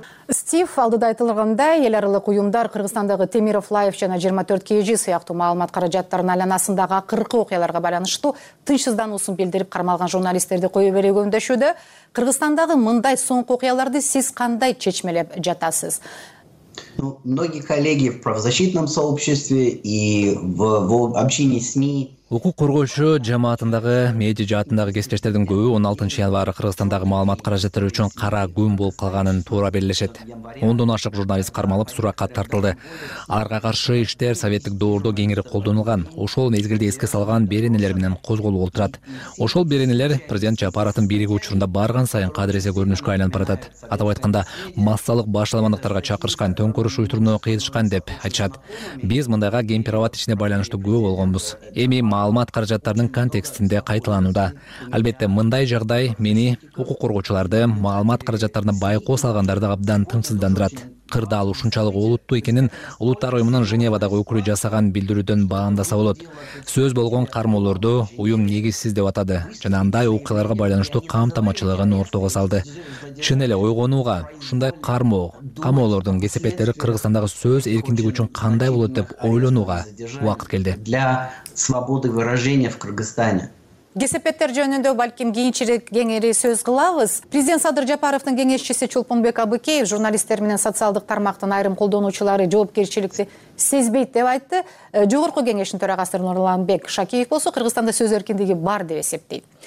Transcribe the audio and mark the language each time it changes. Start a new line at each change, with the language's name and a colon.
Kyrgyz: Стив, алдыда айтылгандай, эл аралык уюмдар Кыргызстандагы Темиров Life жана 24KG сыяктуу маалымат каражаттарынын айланасындагы акыркы окуяларга байланыштуу тынчсыздануусун билдирип кармалган журналисттерди коюп эле көмөктөшүүдө. Кыргызстандагы мындай соңку окуяларды сиз кандай чечмелеп жатасыз?
Russian: Ну, многие коллеги в правозащитном сообществе и в общении СМИ.
Kyrgyz: Укук коргоочу жамаатындагы медиа жаатындагы кесиптештердин көбү 16-январ Кыргызстандагы маалымат каражаттары үчүн кара күн болуп калганын туура белгилешет. 10 ашык журналист кармалып суракка тартылды. Аларга каршы иштер советтик доордо кеңири колдонулган. Ошол мезгилде эске салган беренелер менен козголуп отурат. Ошол беренелер президент аппаратын биригүү учурунда барган сайын кадыресе көрүнүшкө айланып баратат. Атап айтканда, массалык башталмандыктарга чакырышкан, төңкөрүш уюштурууну кыйышкан деп айтышат. Биз мындайга кемпироват ичине байланыштуу күбө болгонбуз. Эми маалымат каражаттарынын контекстинде кайталанууда. Албетте, мындай жагдай мени, укук коргоочуларды, маалымат каражаттарына байкоо салгандарды абдан тынчсыздандырат. Кырдаал ушунчалык олуттуу экенин Улуттар уюмунун Женевадагы өкүлү жасаган билдирүүдөн баандаса болот. Сөз болгон кармоолорду уюм негизсиз деп атады жана андай окуяларга байланыштуу камтамачылыгын ортого салды. Чын эле ойгонууга, ушундай кармоо, камоолордун кесепеттери Кыргызстандагы сөз эркиндиги үчүн кандай болот деп ойлонууга убакыт келди.
Russian: Для свободы выражения в Кыргызстане.
Kyrgyz: Кесепеттер жөнүндө балким кийинчерээк кеңири сөз кылабыз. Президент Садыр Жапаровдун кеңешчиси Чулпунбек Абыкеев журналисттер менен социалдык тармактын айрым колдонуучулары жоопкерчиликти сезбейт деп айтты. Жогорку кеңештин төрагасы Нурланбек Шакеев болсо, Кыргызстанда сөз эркиндиги бар деп эсептейт.